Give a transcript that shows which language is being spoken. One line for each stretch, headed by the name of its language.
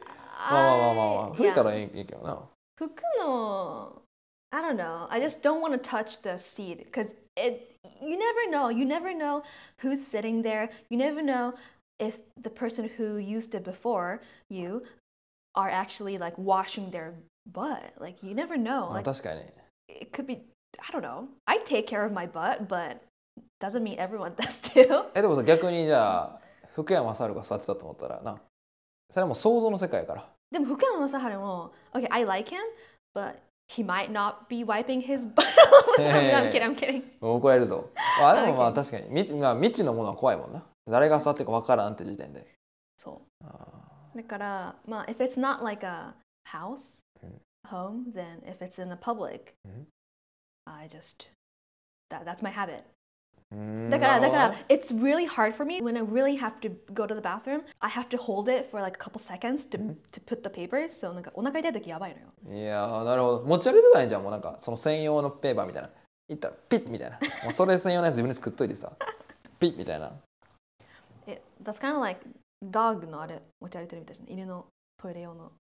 Japanese: まあ、拭いたらいいけどな。拭くの。
English: I don't know. I just don't want to touch the seat because you never know. You never know who's sitting there. You never know if the person who used it before you are actually like washing their butt. Like, you never know.
Japanese: Like, 確かに。
English: It could be, I don't know. I take care of my butt, but doesn't mean everyone does too.
Japanese: でもさ、逆にじゃあ、福山雅治が座ってたと思ったらな。それはもう想像の世界やから。でも福山雅治も、
English: okay, I like him, but... He might not be wiping his butt. I'm kidding.
Japanese: 怒られるぞ。あ、でもまあ確かに、まあ未知のものは怖いもんな。誰が座ってるかわからんって時点で。そう。だから、まあ
English: if it's not like a house, home, then if it's in the public, I just that's my habit.
Japanese: だから
English: it's really hard for me when I really have to go to the bathroom. I have to hold it for like a couple seconds to put the papers.
Japanese: So なんかお腹痛い時やばいのよ。いやなるほど。持ち歩いてないじゃん。もうなんかその専用のペーパーみたいな。いったらピッみたいな。もうそれ専用のやつ自分で作っといてさ。ピッみたいな。
English: That's kind of like dog
Japanese: のあれ持ち歩いてるみたいな。犬のトイレ用の。